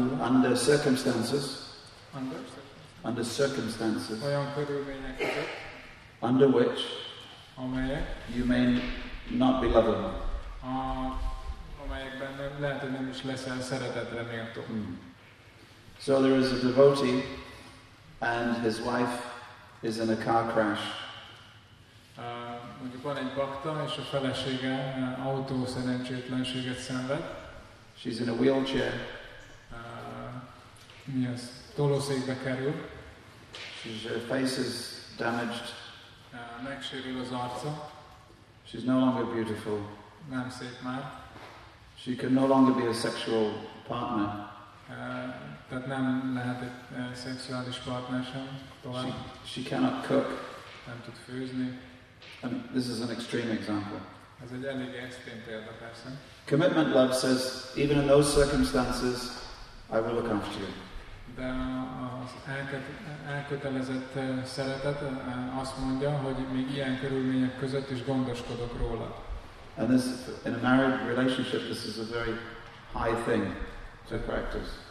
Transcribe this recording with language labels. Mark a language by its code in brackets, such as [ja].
[en] Under circumstances. Under circumstances. [hu] Olyan körülmények között. [en] Under which. [hu] Amelyek. [en] You may not be lovable. [hu] Amelyekben lehet, hogy nem is leszel szeretetre méltó. [en] So there is a devotee and his wife is in a car crash. [hu] Mondjuk van egy bakta és a felesége autó szerencsétlenséget szenved. [en] She's in a wheelchair. [hu] Mi az? Tolószékbe kerül. [en] Her face is damaged. [hu] Megsérül az arca. [en] She's no longer beautiful. [hu] Nem szép már. [en] She can no longer be a sexual partner. [hu] Tehát nem lehet egy szexuális partner sem tovább. [en] She cannot cook. [hu] Nem tud főzni. [en] And this is an extreme example. [hu] Ez egy elég extrém példa persze. [en] Commitment love says, even in those circumstances, I will look after you. [hu] De az elkötelezett szeretet azt mondja, hogy még ilyen körülmények között is gondoskodok róla. [en] And this, in a married relationship, this is a very high thing to practice.